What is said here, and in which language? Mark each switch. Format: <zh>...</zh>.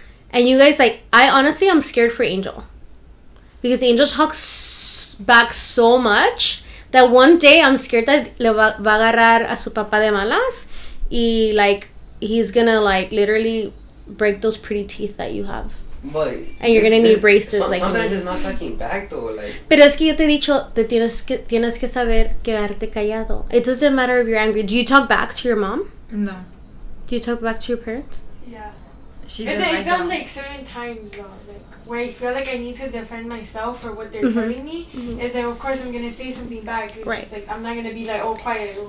<en>And you guys, like, I honestly, I'm scared for Angel. Because Angel talks back so much that one day I'm scared that</en> <es>le va a agarrar a su papá de malas.</es> <en>Y, like, he's gonna, like, literally break those pretty teeth that you have. But and you're gonna need braces. Sometimes it's not talking back though. Like,</en> <es>pero es que yo te he dicho, tienes que saber quedarte callado.</es> <en>It doesn't matter if you're angry. Do you talk back to your mom? No. Do you talk back to your parents? Yeah. It's on, like, certain times though, like, where I feel like I need to defend myself for what they're telling me. Is like, of course I'm gonna say something back. It's right. Just like, I'm not gonna be like, oh, quiet.</en>